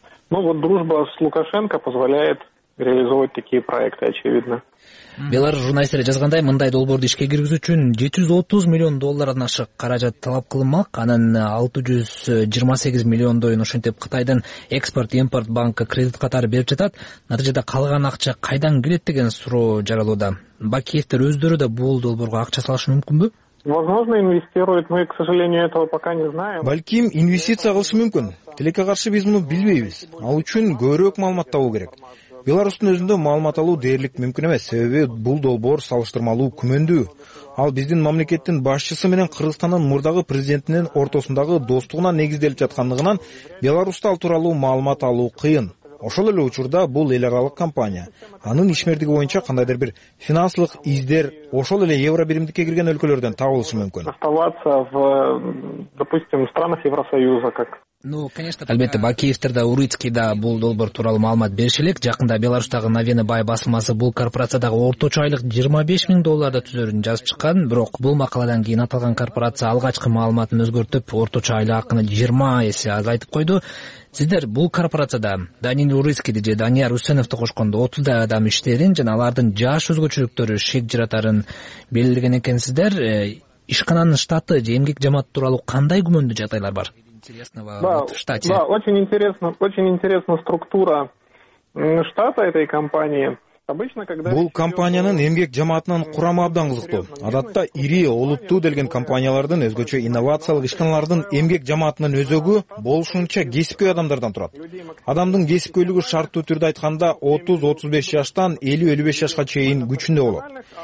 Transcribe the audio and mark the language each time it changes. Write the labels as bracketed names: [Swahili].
[Russian] Ну вот дружба с Лукашенко позволяет реализовать такие проекты, очевидно. [Kyrgyz] Беларусь журналисттери жазгандай, мындай долбоорду ишке киргизүү үчүн 730 миллион доллардан ашык каражат талап кылынмак, анын 628 миллиондойун ушинтип Кытайдын экспорт-импорт банкы кредит катары берип жатат. Натыйжада калган акча кайдан келет деген суроо жаралууда. Бакиевтер өздөрү да бул долбоорго акча салышы мүмкүнбү? [Russian] Возможно, инвестирует. Мы, к сожалению, этого пока не знаем. [Kyrgyz] Балким инвестиция кылышы мүмкүн. Тилекке каршы биз муну билбейбиз. Ал үчүн көбүрөөк маалымат табуу керек. Беларусьтун өзүндө маалымат алуу дээрлик мүмкүн эмес, себеби бул долбоор салыштырмалуу күмөндүү. Ал биздин мамлекеттин башчысы менен Кыргызстандын мурдагы президентинин ортосундагы достугуна негизделип жаткандыгынан Беларусьта ал тууралуу маалымат алуу кыйын. Ошол эле учурда бул эл аралык компания. Анын ишмердиги боюнча кандайдыр бир финансылык издер ошол эле евро биримдикке кирген өлкөлөрдөн табылышы мүмкүн. [Russian] Оставаться в, допустим, странах Евросоюза как. [Kyrgyz] Ну, конечно, албетте Бакиевтер да Урицкий да бул долбоор тууралуу маалымат бериши элек. Жакында Беларусьтагы Новина Бай басылмасы бул корпорациядагы орточо айлык 25 000 долларды түзөрүн жазып чыккан. Бирок бул макаладан кийин аталган корпорация алгачкы маалыматын өзгөртүп, орточо айлык акыны 20 эсе азайтып койду. Сиздер бул корпорацияда Данил Урицкийди же Данияр Үсеновду кошкондо 30 адам иштерин жана алардын жаш өзгөчөлүктөрү шек жаратарын белгилеген экенсиздер. Ишкананын штаты же эмгек жамааты тууралуу кандай күмөндүү жагдайлар бар? Да, да, очень интересна структура штата этой компании. Бул компаниянын эмгек жамаатынын курамы абдан кызыктуу. Адатта ири, олуттуу делген компаниялардын, өзгөчө инновациялык ишканалардын эмгек жамаатынын өзөгү болушунча кесипкөй адамдардан турат. Адамдын кесипкөйлүгү шарттуу түрдө айтканда 30-35 жаштан 50-55 жашка чейин күчүндө болот.